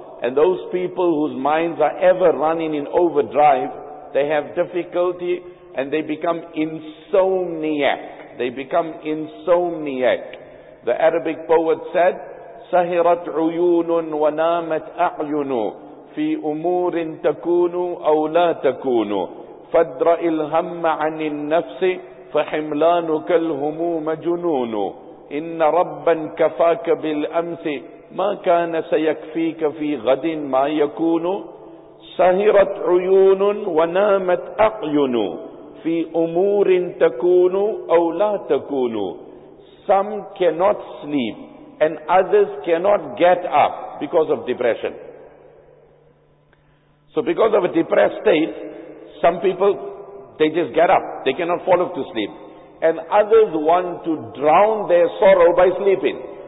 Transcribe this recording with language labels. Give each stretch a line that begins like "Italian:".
English: And those people whose minds are ever running in overdrive, they have difficulty and they become insomniac. They become insomniac. The Arabic poet said,
Arabic: سَهِرَتْ عُيُونٌ وَنَامَتْ أَعْيُنُ في أمور تكون أو لا تكون، فادرء الهم عن النفس فحملانك الهموم جنون، إن ربا كفاك بالأمس ما كان سيكفيك في غد ما يكون، سهرت عيون ونامت أعين في أمور تكون أو لا تكون.
English: Some cannot sleep and others cannot get up because of depression. So because of a depressed state, some people, they just get up. They cannot fall off to sleep. And others want to drown their sorrow by sleeping.